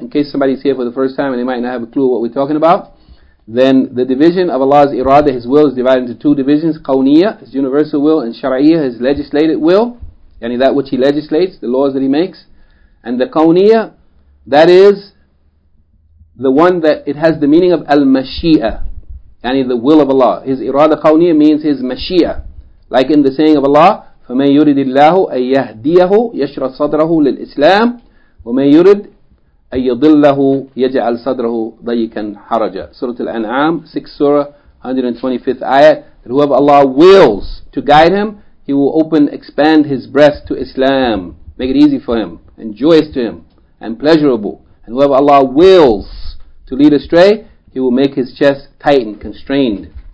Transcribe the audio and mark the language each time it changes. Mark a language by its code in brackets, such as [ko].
[en] In case somebody's here for the first time and they might not have a clue what we're talking about, then the division of Allah's irada, His will, is divided into two divisions, Kauniyya, His universal will, and Shara'iyya, His legislated will, yani that which He legislates, the laws that He makes. And the Kauniyya, that is the one that it has the meaning of al-mashi'a, yani the will of Allah. His irada qawniya means His mashi'a. Like in the saying of Allah, [ar] فَمَنْ يُرِدِ اللَّهُ أَن يَهْدِيَهُ يَشْرَحْ صَدْرَهُ لِلْإِسْلَامِ وَمَنْ يُرِدْ أَن يَضِلَّهُ يَجْعَلْ صَدْرَهُ ضَيِّكًا حَرَجًا. [en] Surah Al-An'am, 6th Surah, 125th Ayat. That whoever Allah wills to guide him, he will expand his breast to Islam, make it easy for him, and joyous to him, and pleasurable. And whoever Allah wills to lead astray, He will make his chest tighten, constrained.